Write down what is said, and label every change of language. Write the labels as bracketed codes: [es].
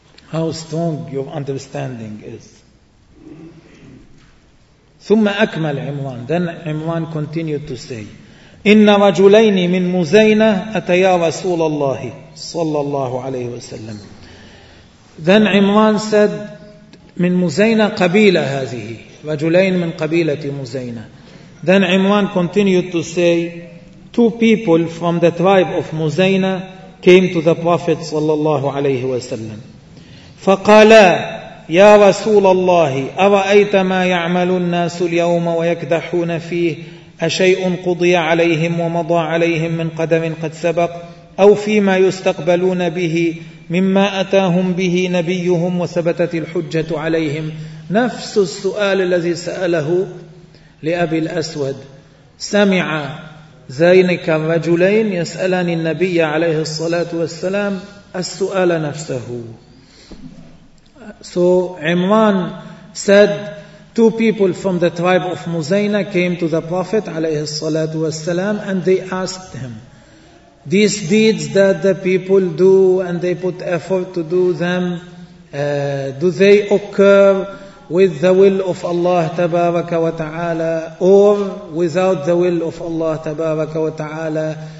[en] How strong your understanding is. [ar] ثم أكمل عمران. [en] Then Imran continued to say, [ar] إن رجلين من مزينة أتيا رسول الله صلى الله عليه وسلم. [en] Then Imran said, [ar] من مزينة قبيلة هذه, رجلين من قبيلة مزينة. [en] Then Imran continued to say, two people from the tribe of مزينة came to the Prophet صلى الله عليه وسلم. [ar] فقالا يا رسول الله أرأيت ما يعمل الناس اليوم ويكدحون فيه, أشيء قضي عليهم ومضى عليهم من قدر قد سبق, أو فيما يستقبلون به مما أتاهم به نبيهم وثبتت الحجة عليهم نفس السؤال الذي سأله لأبي الأسود. سمع ذينك رجلين يسألان النبي عليه الصلاة والسلام السؤال نفسه. [en] So Imran said, two people from the tribe of Muzayna came to the Prophet عليه الصلاة والسلام and they asked him, these deeds that the people do and they put effort to do them, do they occur with the will of Allah تبارك وتعالى or without the will of Allah تبارك وتعالى?